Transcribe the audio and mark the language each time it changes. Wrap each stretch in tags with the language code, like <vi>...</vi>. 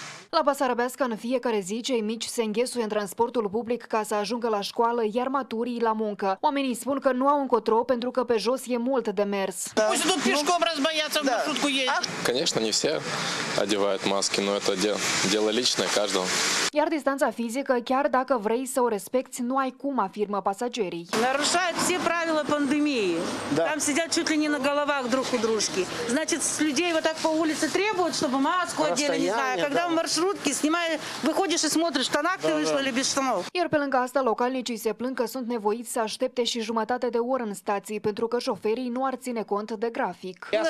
<ro>La Basarabeasca, în fiecare zi, cei mici se înghesuie în transportul public ca să ajungă la școală, iar maturii la muncă. Oamenii spun că nu au încotro pentru că pe jos e mult de mers.</ro> <ru>Конечно, не все одевают маски, но это дело личное каждого.</ru> <ro>Iar distanța fizică, chiar dacă vrei să o respecti, nu ai cum, afirmă pasagerii.</ro> <ru>Нарушают все правила пандемии. Там сидят чуть ли не на головах друг у дружки. Значит, с людей вот так по улице требуют, чтобы маску одели, не знаю, когда маршрутки снимай, выходишь и смотришь, в штанах ты вышла или без штанов.</ru> <ro>Iar pe lângă asta, localnicii se plâng că sunt nevoiți să aștepte și jumătate de oră în stații pentru că șoferii nu ar ține cont de grafic.</ro>